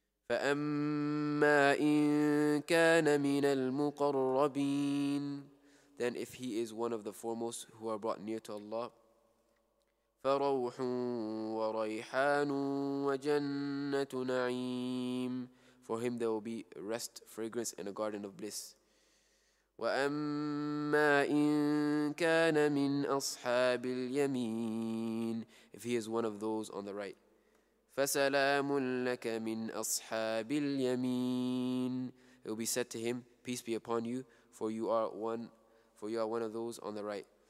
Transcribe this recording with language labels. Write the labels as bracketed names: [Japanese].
[Arabic] فَأَمَّا إِن كَانَ مِنَ الْمُقَرَّبِينَ. [English] Then if he is one of the foremost who are brought near to Allah, [Arabic] فَرَوْحٌ وَرَيْحَانٌ وَجَنَّةُ نَعِيمٌ. [English] For him there will be rest, fragrance, and a garden of bliss. [Arabic] وَأَمَّا إِن كَانَ مِنْ أَصْحَابِ الْيَمِينَ. [English] If he is one of those on the right, [Arabic] فَسَلَامٌ لَكَ مِنْ أَصْحَابِ الْيَمِينَ. [English] It will be said to him, peace be upon you, for you are one of those on the right.